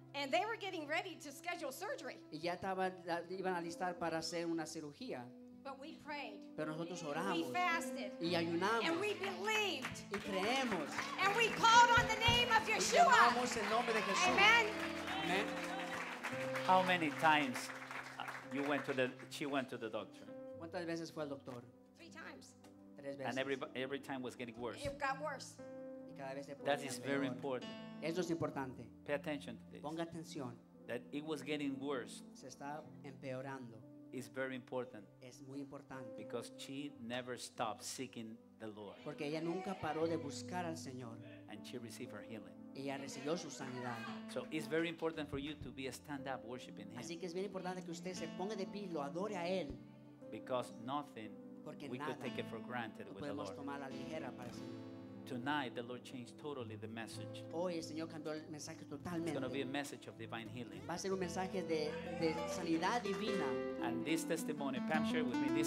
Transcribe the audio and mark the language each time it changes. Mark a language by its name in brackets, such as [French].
[English] And they were getting ready to schedule surgery. [Spanish] Y ya estaban, iban a listar para hacer una cirugía. [English] But we prayed. [Spanish] Pero nosotros oramos. [English] We fasted. [Spanish] Y ayunamos. [English] And we believed. [Spanish] Y creemos. [English] And we called on the name of Yeshua. [Spanish] Y llamamos el nombre de Jesús. Amen. Amen. [English] How many times you went to the? She went to the doctor. [Spanish] ¿Cuántas veces fue al doctor? [English] Three times. [Spanish] Tres veces. [English] And every time was getting worse. It got worse. [Spanish] Y cada vez se ponía peor. [English] That is very important. [Spanish] Eso es importante. [English] Pay attention to this. [Spanish] Ponga atención. [English] That it was getting worse. [Spanish] Se está empeorando. [English] Is very important. [Spanish] Es muy importante. [English] Because she never stopped seeking the Lord. [Spanish] Porque ella nunca paró de buscar al Señor. [English] And she received her healing. [Spanish] Ella recibió su sanidad. [English] So it's very important for you to be a stand up worshiping him. [Spanish] Así que es bien importante que usted se ponga de pie y lo adore a él. [English] Because nothing [Spanish] Porque [English] we [Spanish] nada [English] could take it for granted [Spanish] no [English] with the Lord. [Spanish] Tomar la ligera para el Señor. [English] Tonight the Lord changed totally the message. [Spanish] Hoy el Señor cambió el mensaje totalmente. [English] It's going to be a message of divine healing. [Spanish] Va a ser un mensaje de sanidad divina. [English] And this testimony, Pam shared with me this